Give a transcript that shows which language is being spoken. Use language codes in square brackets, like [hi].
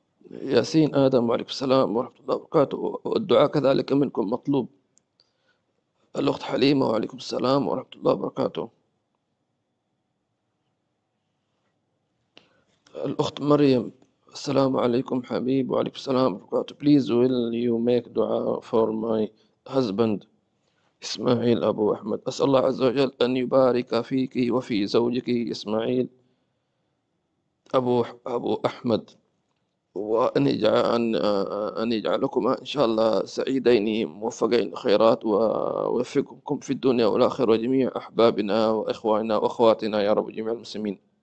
[ar] ياسين آدم، وعليكم السلام ورحمة الله وبركاته. والدعاء كذلك منكم مطلوب. الأخت حليمة، وعليكم السلام ورحمة الله وبركاته. الأخت مريم، السلام عليكم حبيب، وعليكم السلام ورحمة الله. [en] Please will you make dua for my husband إسماعيل أبو أحمد. [ar] أسأل الله عز وجل أن يبارك فيك وفي زوجك إسماعيل أبو أحمد، وأن يجعلكما إن شاء الله سعيدين موفقين خيرات، ووفقكم في الدنيا والآخرة وجميع أحبابنا وإخواننا وأخواتنا يا رب جميع المسلمين.